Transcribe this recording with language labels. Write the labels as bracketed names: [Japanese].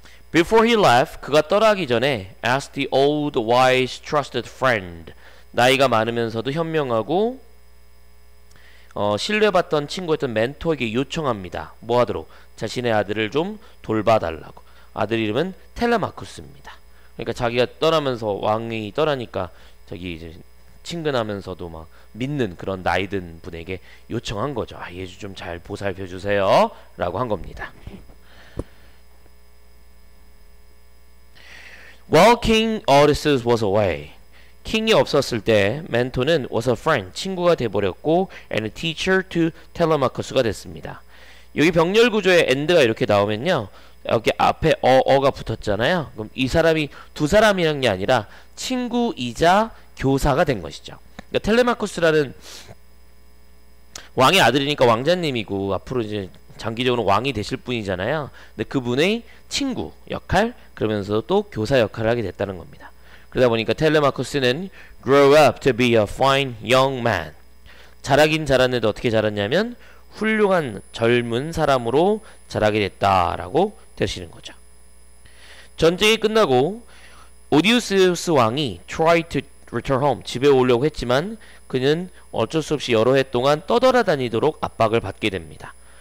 [English] Before he left, [Korean] 그가 떠나기 전에 [English] asked the old wise trusted friend. [Korean] 나이가 많으면서도 현명하고 신뢰받던 친구였던 멘토에게 요청합니다. 뭐 하도록 자신의 아들을 좀 돌봐달라고. 아들 이름은 텔레마쿠스입니다. 그러니까 자기가 떠나면서 왕이 떠나니까 자기 이제 친근하면서도 막 믿는 그런 나이든 분에게 요청한 거죠. 아, 예수 좀잘 보살펴 주세요라고 한 겁니다. [English] While King Odysseus was away, [Korean] 킹이 없었을 때 멘토는 [English] was a friend [Korean] 친구가 돼 버렸고 [English] and a teacher to [Korean] 텔레마쿠스가 됐습니다. 여기 병렬 구조의 end가 이렇게 나오면요. 여기 앞에 어가 붙었잖아요. 그럼 이 사람이 두 사람이란 게 아니라 친구이자 교사가 된 것이죠. 그러니까 텔레마쿠스라는 왕의 아들이니까 왕자님이고 앞으로 이제 장기적으로 왕이 되실 분이잖아요. 근데 그분의 친구 역할 그러면서 또 교사 역할을 하게 됐다는 겁니다. 그러다 보니까 텔레마쿠스는 [English] grow up to be a fine young man. [Korean] 자라긴 자랐는데 어떻게 자랐냐면 훌륭한 젊은 사람으로 자라게 됐다라고 되시는 거죠. 전쟁이 끝나고 오디오세우스 왕이 [English] try to return home [Korean] 집에 오려고 했지만 그는 어쩔 수 없이 여러 해 동안 떠돌아다니도록 압박을 받게 됩니다.